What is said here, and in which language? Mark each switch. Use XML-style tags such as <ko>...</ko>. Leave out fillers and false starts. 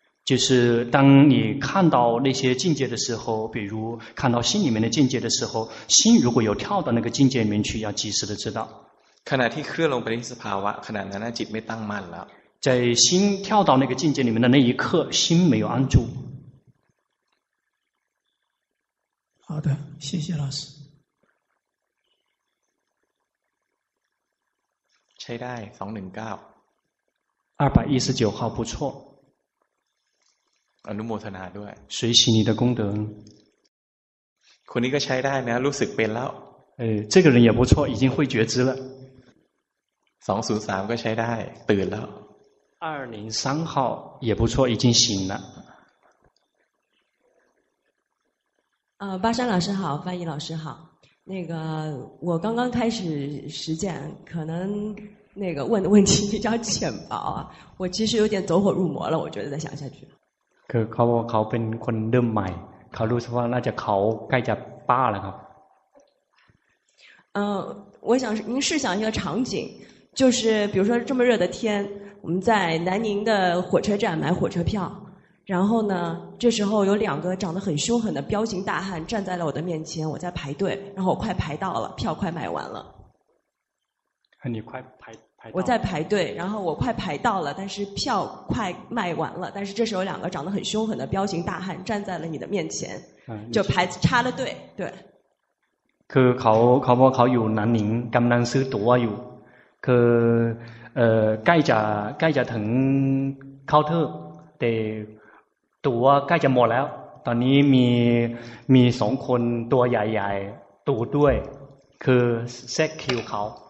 <zh>就是当你看到那些境界的时候比如看到心里面的境界的时候心如果有跳到那个境界里面去要及时的知道</zh> <th>ขณะที่เคลื่อนลงไปที่สภาวะขณะนั้นจิตไม่ตั้งมั่นแล้ว</th> <zh>在心跳到那个境界里面的那一刻心没有安住好的谢谢老师</zh> <th>ใช้ได้219</th> <zh>219号不错</zh> <th>อนุโมทนาด้วย</th> <zh>随喜你的功德</zh> <th>คนนี้ก็ใช้ได้นะรู้สึกเป็นแล้ว</th> <zh>这个人也不错已经会觉知了</zh> <th>203ก็ใช้ได้ตื่นแล้ว</th> <zh>203号也不错已经醒了巴山老师好翻译老师好那个我刚刚开始实践可能那个问的问题比较浅薄啊我其实有点走火入魔了我觉得再想下去</zh> <th>คือเขาบอกเขาเป็นคนเริ่มใหม่เขารู้สึกว่าน่าจะเขาใกล้จะป้าแล้วครับ</th> <zh>我想您试想一个场景就是比如说这么热的天我们在南宁的火车站买火车票然后呢这时候有两个长得很凶狠的彪形大汉站在了我的面前我在排队然后我快排到了票快买完了你快排我在排队然后我快排到了但是票快卖完了但是这时候两个长得很凶狠的彪形大汉站在了你的面前就排插了队对</zh> <th>คือเขาอยู่南宁กำลังซื้อตั๋วอยู่คือใกล้จะถึงเคาน์เตอร์แต่ตั๋วใกล้จะหมดแล้วตอนนี้มี2คนตัวใหญ่ๆตู่ด้วยคือแซกคิวเขา</th>